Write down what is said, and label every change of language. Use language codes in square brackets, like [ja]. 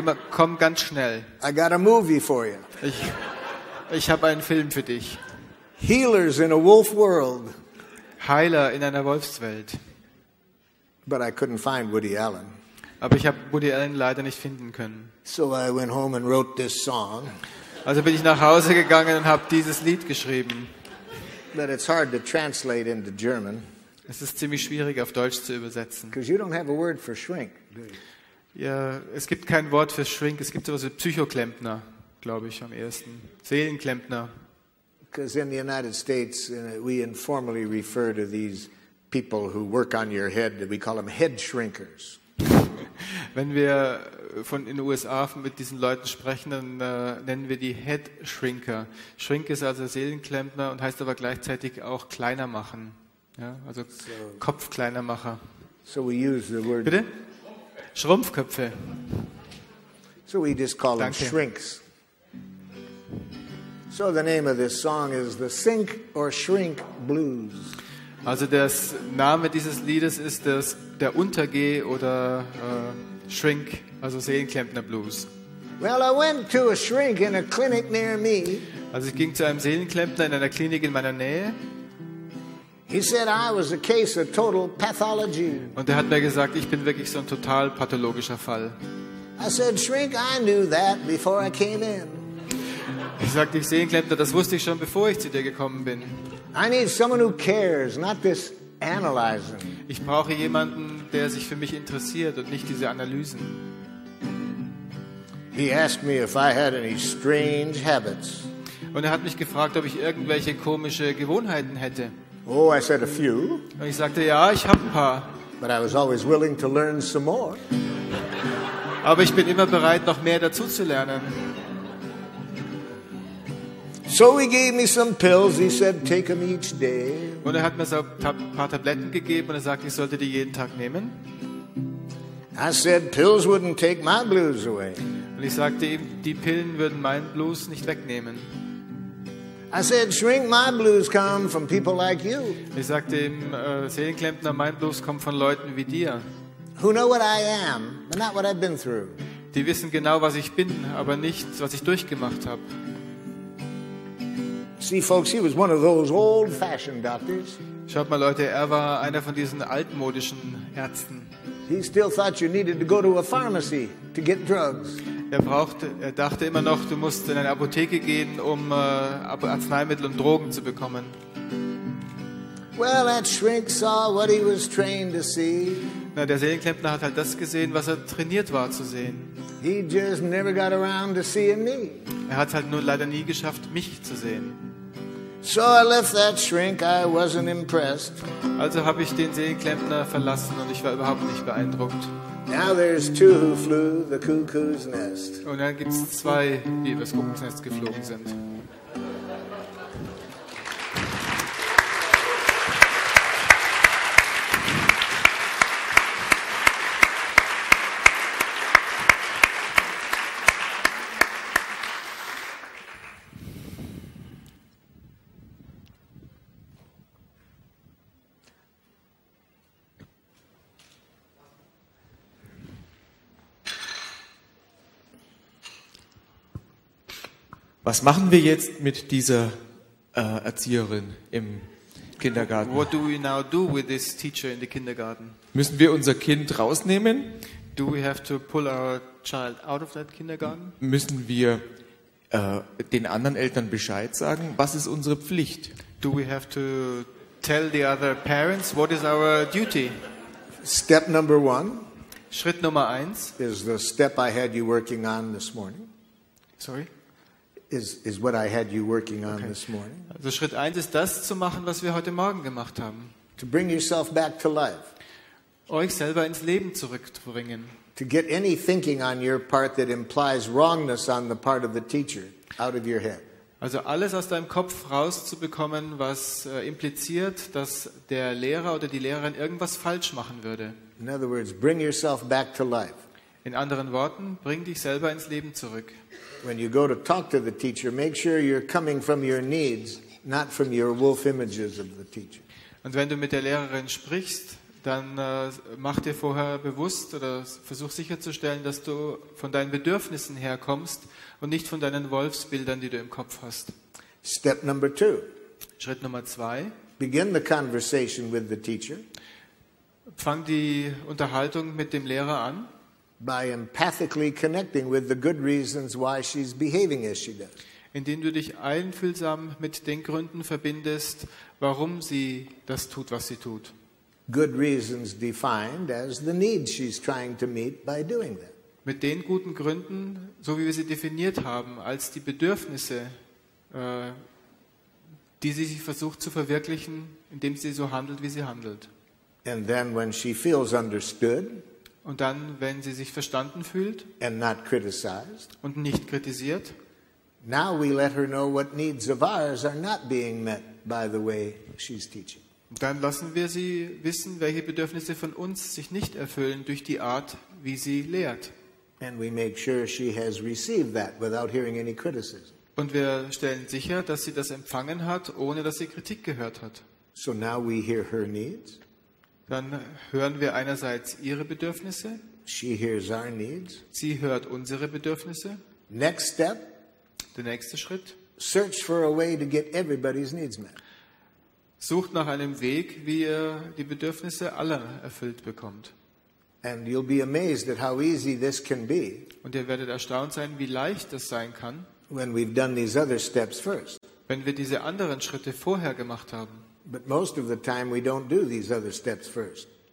[de] Komm ganz schnell. [en] I got a movie for you. [de] Ich habe einen Film für dich. [en] Healers in a wolf world. [de] Heiler in einer Wolfswelt. [en] But I couldn't find Woody Allen. [de] Aber ich habe Woody Allen leider nicht finden können. [en] So I went home and wrote this song. [de] Also bin ich nach Hause gegangen und habe dieses Lied geschrieben. [en] But it's hard to translate into German. [de] Es ist ziemlich schwierig auf Deutsch zu übersetzen. [en] Because you don't have a word for shrink, do you? [de] Ja, es gibt kein Wort für shrink. Es gibt sowas wie Psychoklempner, glaube ich, am ersten. Seelenklempner. [en] Because in the United States, we informally refer to these people who work on your head, we call them head shrinkers. [de] Wenn wir von in den USA mit diesen Leuten sprechen, dann nennen wir die Head Shrinker. Shrink ist also Seelenklempner und heißt aber gleichzeitig auch kleiner machen. Ja, also so, Kopfkleinermacher. [en] So we use the word. [de] Bitte? Schrumpfköpfe. [en] So we just call them shrinks. So the name of this song is the Sink or Shrink Blues. [de] Also der Name dieses Liedes ist das der Untergeh oder Shrink, also Seelenklempner Blues. [en] Well, I went to a shrink in a clinic near me. [de] Also ich ging zu einem Seelenklempner in einer Klinik in meiner Nähe. [en] He said I was a case of total pathology. [de] Und er hat mir gesagt, ich bin wirklich so ein total pathologischer Fall. [en] I said, shrink, I knew that before I came in. [de] Ich sagte, ich Seelenklempner, das wusste ich schon, bevor ich zu dir gekommen bin. [en] I need someone who cares, not this analyzing. [de] Ich brauche jemanden, der sich für mich interessiert und nicht diese Analysen. [en] He asked me if I had any strange habits. [de] Und er hat mich gefragt, ob ich irgendwelche komische Gewohnheiten hätte. [en] Oh, I said a few. [de] Und ich sagte, ja, ich habe ein paar. [en] But I was always willing to learn some more. [de] Aber ich bin immer bereit, noch mehr dazu zu lernen. [en] So he gave me some pills. He said, take them each day. [de] Und er hat mir so paar Tabletten gegeben und er sagte, ich sollte die jeden Tag nehmen. [en] I said, pills wouldn't take my blues away. [de] Und ich sagte ihm, die Pillen würden meinen Blues nicht wegnehmen. [en] I said, shrink, my blues come from people like you. [de] Ich sagte ihm, Seelenklempner, mein Blues kommt von Leuten wie dir. [en] Who know what I am, but not what I've been through. [de] Die wissen genau, was ich bin, aber nicht, was ich durchgemacht habe. [en] See, folks, he was one of those old-fashioned doctors. [de] Schaut mal, Leute, er war einer von diesen altmodischen Ärzten. [en] He still thought you needed to go to a pharmacy to get drugs. [de] Er dachte immer noch, du musst in eine Apotheke gehen, um Arzneimittel und Drogen zu bekommen. [en] Well, that shrink saw what he was trained to see. [de] Na, der Seelenklempner hat halt das gesehen, was er trainiert war zu sehen. [en] He just never got around to seeing me. [de] Er hat halt nur leider nie geschafft, mich zu sehen. [en] So I left that shrink, I wasn't impressed. [de] Also habe ich den Seelenklempner verlassen und ich war überhaupt nicht beeindruckt. [en] Now there's two who flew the cuckoo's nest. [de] Und dann gibt's zwei, die übers Kuckucksnest geflogen sind. Was machen wir jetzt mit dieser Erzieherin im Kindergarten? [en] What do we now do with this teacher in the kindergarten? [de] Müssen wir unser Kind rausnehmen? [en] Do we have to pull our child out of that kindergarten? [de] Müssen wir den anderen Eltern Bescheid sagen? Was ist unsere Pflicht? [en] Do we have to tell the other parents? What is our duty? Step number one. [de] Schritt Nummer eins. [en] Is the step I had you working on this morning. Sorry? Is what I had you working on this morning. [de] Also Schritt 1 ist das zu machen, was wir heute Morgen gemacht haben. [en] To bring yourself back to life. [de] Euch selber ins Leben zurückzubringen. [en] To get any thinking on your part that implies wrongness on the part of the teacher out of your head. [de] Also alles aus deinem Kopf rauszubekommen, was impliziert, dass der Lehrer oder die Lehrerin irgendwas falsch machen würde. [en] In other words, bring yourself back to life. [de] In anderen Worten, bring dich selber ins Leben zurück. [en] When you go to talk to the teacher, make sure you're coming from your needs, not from your wolf images of the teacher. [de] Und wenn du mit der Lehrerin sprichst, dann mach dir vorher bewusst oder versuch sicherzustellen, dass du von deinen Bedürfnissen herkommst und nicht von deinen Wolfsbildern, die du im Kopf hast. [en] Step number two. [de] Schritt Nummer zwei. [en] Begin the conversation with the teacher. [de] Fang die Unterhaltung mit dem Lehrer an. [en] By empathically connecting with the good reasons why she's behaving as she does. [de] Indem du dich einfühlsam mit den Gründen verbindest, warum sie das tut, was sie tut. [en] Good reasons defined as the needs she's trying to meet by doing that. [de] Mit den guten Gründen, so wie wir sie definiert haben, als die Bedürfnisse, die sie versucht zu verwirklichen, indem sie so handelt, wie sie handelt. [en] And then when she feels understood, [de] und dann, wenn sie sich verstanden fühlt, [en] and not criticized, [de] und nicht kritisiert, [en] now we let her know what needs of ours are not being met by the way she's teaching. [de] Dann lassen wir sie wissen, welche Bedürfnisse von uns sich nicht erfüllen durch die Art, wie sie lehrt. [en] And we make sure she has received that without hearing any criticism. [de] Und wir stellen sicher, dass sie das empfangen hat, ohne dass sie Kritik gehört hat. [en] So now we hear her needs. [de] Dann hören wir einerseits ihre Bedürfnisse. [en] She hears our needs. [de] Sie hört unsere Bedürfnisse. [en] Next step. [de] Der nächste Schritt. [en] Search for a way to get everybody's needs met. [de] Sucht nach einem Weg, wie ihr die Bedürfnisse aller erfüllt bekommt. [en] And you'll be amazed at how easy this can be. [de] Und ihr werdet erstaunt sein, wie leicht das sein kann. [en] When we've done these other steps first. [de] Wenn wir diese anderen Schritte vorher gemacht haben. [en] But most of the time we don't do these other steps first.